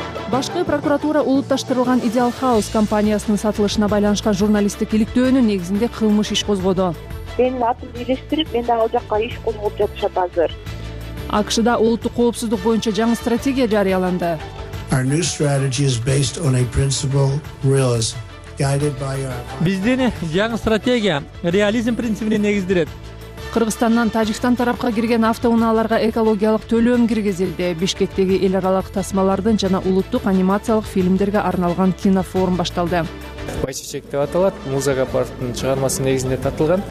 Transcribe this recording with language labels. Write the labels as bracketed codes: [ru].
[ky] Башкы прокуратура улутташтырылган Ideal House компаниясынын сатылышына байланышкан журналисттик иликтөөнүн негизинде кылмыш иш козгоду. Менин атым бийлештирип, мен да ал жакка иш козгоп жатышат азыр. АКШ-да улуттук коопсуздук боюнча жаңы стратегия жарыяланды. [en] Our new strategy is based on a principle, realism. [ky] Биздин жаңы стратегия реализм принципине негизделет. Кыргызстандан Тажикстан тарапка кирген автоунааларга экологиялык төлөм киргизилди. Бишкектеги эл аралык тасмалардын жана улуттук анимациялык фильмдерге арналган кинофорум башталды. Байчечек деп аталат, Муза Гапаровдун чыгармасы негизинде татылган.